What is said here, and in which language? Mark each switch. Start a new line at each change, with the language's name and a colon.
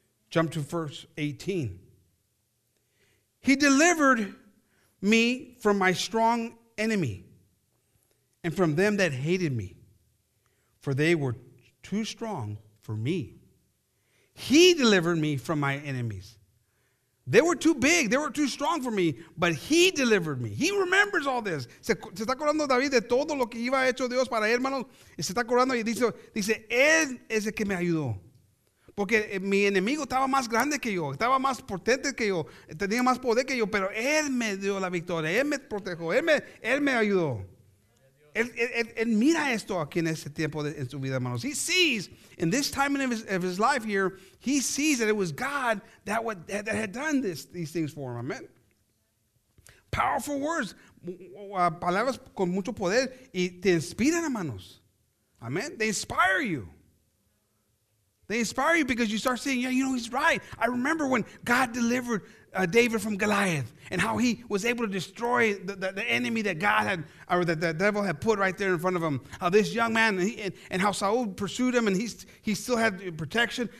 English: Jump to verse 18. He delivered me from my strong enemy and from them that hated me, for they were too strong for me. He delivered me from my enemies. They were too big. They were too strong for me, but he delivered me. He remembers all this.
Spanish: Se está acordando David de todo lo que iba a hecho Dios para él, hermanos. Y se está acordando y dice, él es el que me ayudó. Porque mi enemigo estaba más grande que yo, estaba más potente que yo, tenía más poder que yo, pero él me dio la victoria, él me protegió, él me ayudó. Él mira esto aquí en ese tiempo de, en su vida, hermanos.
English: He sees, in this time of his life here, he sees that it was God that had done these things for him. Amen. Powerful words.
Spanish: palabras con mucho poder y te inspiran, hermanos.
English: Amen. They inspire you. They inspire you because you start saying, yeah, you know, he's right. I remember when God delivered David from Goliath and how he was able to destroy the enemy that God had, or that the devil had put right there in front of him. How this young man, and how Saul pursued him and he still had protection.